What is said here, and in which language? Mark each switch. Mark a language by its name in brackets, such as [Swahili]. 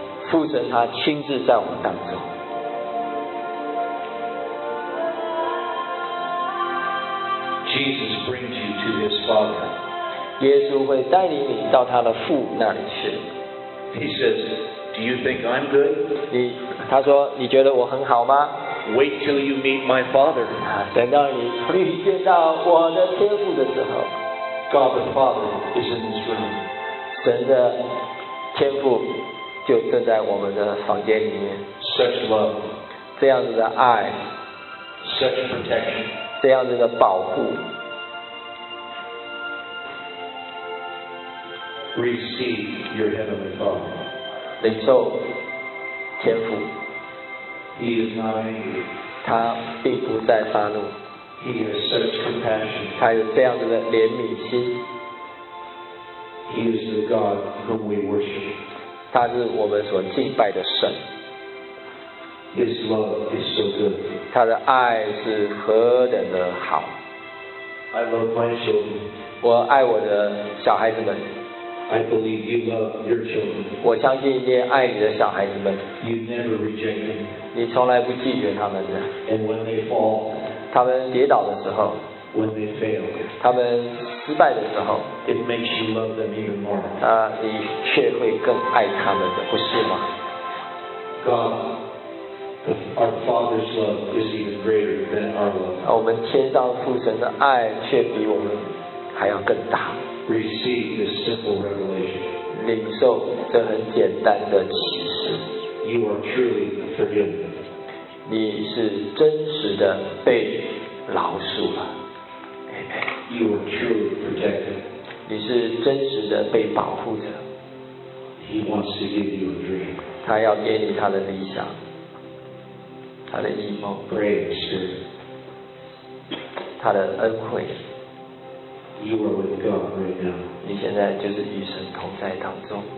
[Chinese] 父神他亲自在我们当中。 [English] Jesus brings you to his Father. [Chinese] 耶稣会带领你到他的父那里去。 [English] He says, "Do you think I'm good?" [Chinese] 他说你觉得我很好吗？ [English] Wait till you meet my Father. [Chinese] 等到你见到我的天父的时候。 [English] God the Father is in this room. [Chinese] 神的天父。就正在我们的房间里面。 [English] Such love, [Chinese] 这样子的爱。 [English] Such protection, [Chinese] 这样子的保护。 [English] Receive your heavenly Father. [Chinese] 领受天父。 [English] He is not angry. [Chinese] 他并不再发怒。 [English] He has such compassion. [Chinese] 他有这样子的怜悯心。 [English] He is the God whom we worship. [Chinese] 他是我们所敬拜的神。 [English] His love is so good. [Chinese] 他的爱是何等的好。 [English] I love my children. [Chinese] 我爱我的小孩子们。 [English] I believe you love your children. [Chinese] 我相信你爱你的小孩子们。 [English] You never reject them. [Chinese] 你从来不拒绝他们的。 [English] And when they fall, [Chinese] 他们跌倒的时候。 [English] When they fail, [Chinese] 他们失败的时候 [English] it makes you love them even more. [Chinese] 你却会更爱他们的，不是吗？ [English] God Our Father's love is even greater than our love. [Chinese] 我们天上父神的爱却比我们还要更大。 [English] Receive this simple revelation. [Chinese] 领受这很简单的启示。 [English] You are truly forgiven. [Chinese] 你是真实的被饶恕了。 [English] You are truly protected. [Chinese] 你是真实的被保护着。 [English] He wants to give you a dream. [Chinese] 他要给你他的理想。他的阴谋 [English] praise, [Chinese] 他的恩惠 [English] you are with God right now. [Chinese] 你现在就是与神同在当中